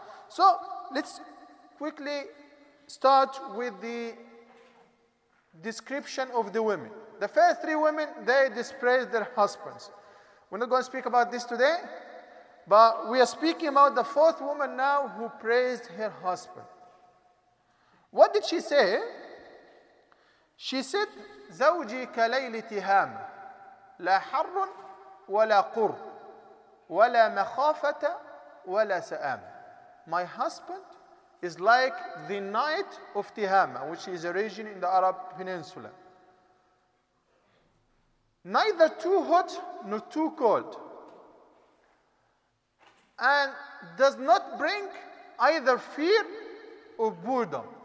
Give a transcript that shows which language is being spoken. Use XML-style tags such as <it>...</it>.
<en>So let's quickly start with the description of the women. The first three women, they despise their husbands. We're not going to speak about this today, but we are speaking about the fourth woman now who praised her husband. What did she say? She said,</en> <ar>زوجي كليل تهام لا حر ولا قر ولا مخافة ولا سآم.</ar> <en>My husband is like the night of Tihama, which is a region in the Arab Peninsula. Neither too hot nor too cold. And does not bring either fear or boredom.</en>